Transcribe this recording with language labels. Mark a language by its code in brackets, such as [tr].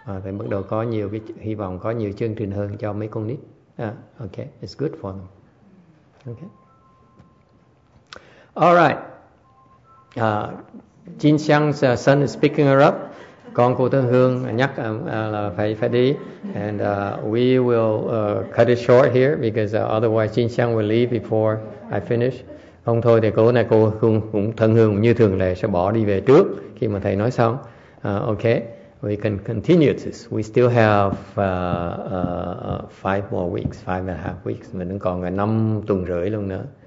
[vi] Thì bắt đầu có nhiều cái hy vọng, có nhiều chương trình hơn cho mấy con nít. [en] Okay, it's good for them. Okay. All right. Jin Xiang's son is picking her up. [vi] Con cô Tân Hương nhắc là phải đi. [en] And we will cut it short here because otherwise Jin Xiang will leave before I finish. [vi] Không thôi thì cô này cô cũng Tân Hương như thường lệ sẽ bỏ đi về trước khi mà thầy nói xong. Okay. [en] We can continue this. We still have five more weeks, five and a half weeks. [vi] Mình vẫn còn 5 tuần rưỡi luôn nữa.